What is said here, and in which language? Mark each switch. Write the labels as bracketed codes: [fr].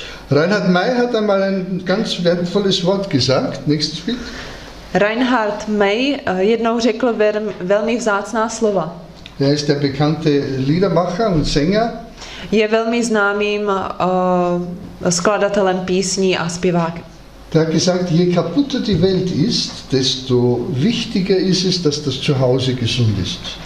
[de] Reinhard May hat einmal ein ganz wertvolles Wort gesagt. Nächstes Bild. [cs] Reinhard May jednou řekl velmi vzácná slova. [de] Er ist der bekannte Liedermacher und Sänger. [cs] Je velmi známým skladatelem písní a zpěvákem. [de] Er hat gesagt, je kaputter die Welt ist, desto wichtiger ist es, dass das Zuhause gesund ist.